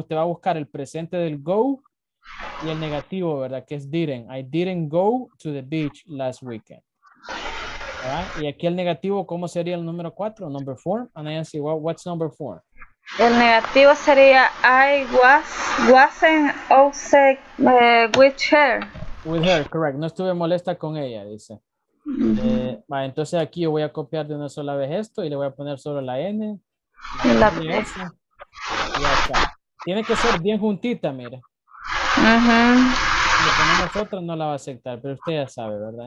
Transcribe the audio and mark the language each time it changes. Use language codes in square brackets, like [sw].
[es] Usted va a buscar el presente del go y el negativo, ¿verdad? Que es [en] didn't. I didn't go to the beach last weekend. [es] ¿Verdad? Y aquí el negativo, ¿cómo sería el número 4? [en] Number 4. And I ask you, well, what's number 4? [es] El negativo sería [en] I wasn't upset with her. With her, correct. [es] No estuve molesta con ella, dice. Mm-hmm. Vale, entonces aquí yo voy a copiar de una sola vez esto y le voy a poner solo la N. La N. Y acá. Tiene que ser bien juntita, mire. Uh-huh. Si ponemos otra, no la va a aceptar, pero usted ya sabe, ¿verdad?